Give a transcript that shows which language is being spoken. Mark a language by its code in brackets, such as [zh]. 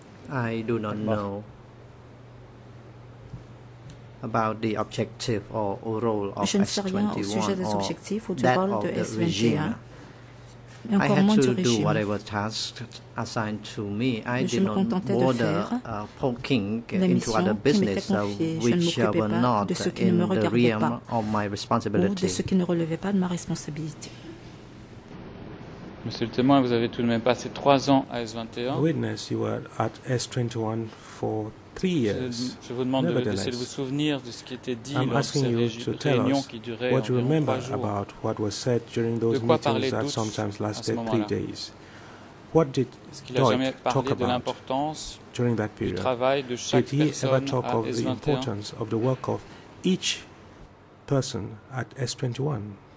[en] I do not know about the objective or role of S21 or that of the regime. I had to do whatever tasks assigned to me. I did not bother poking into other business which were not in the realm of my responsibility. [fr] De ce qui ne relevait pas de ma responsabilité. Monsieur le témoin, vous avez tout de même passé 3 ans à S21. [en] Witness, you were at S21 for 3 years. [fr] Je vous demande de vous souvenir de ce qui était dit lors de cette réunion qui durait [en] what [fr] environ 3 jours. [en] About what was said during those meetings that sometimes lasted 3 days. What did Doik talk about during that period? Did he ever talk of the importance of the work of each person at S21?